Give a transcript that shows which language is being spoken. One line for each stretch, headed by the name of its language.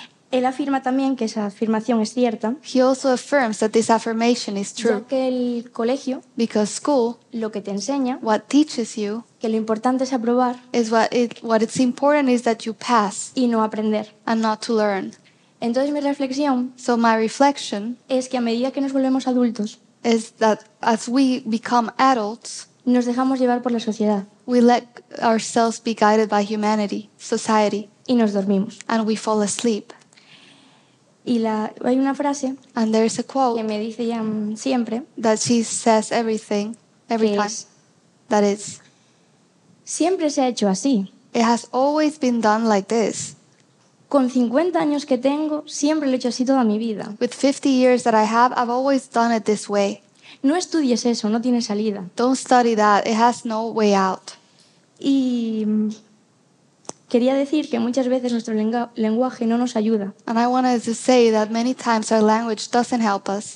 Spanish: Él afirma también que esa afirmación es cierta.
English: He also affirms that this affirmation is true.
Spanish: Ya que el colegio,
English: because school,
Spanish: lo que te enseña,
English: what teaches you,
Spanish: que lo importante es aprobar,
English: is what it's important is that you pass,
Spanish: y no aprender,
English: and not to learn.
Spanish: Entonces mi reflexión,
English: so my reflection,
Spanish: es que a medida que nos volvemos adultos,
English: is that as we become adults,
Spanish: nos dejamos llevar por la sociedad,
English: we let ourselves be guided by humanity, society,
Spanish: y nos dormimos,
English: and we fall asleep.
Spanish: Y hay una frase,
English: and there's a quote,
Spanish: que me dice ya siempre,
English: that she says everything, every time, that is,
Spanish: siempre se ha hecho así.
English: It has always been done like this.
Spanish: Con 50 años que tengo, siempre lo he hecho así toda mi vida.
English: With 50 years that I have, I've always done it this way.
Spanish: No estudies eso, no tiene salida.
English: Don't study that, it has no way out.
Spanish: Y Quería decir que muchas veces nuestro lenguaje no nos ayuda.
English: And I wanted to say that many times our language doesn't help us.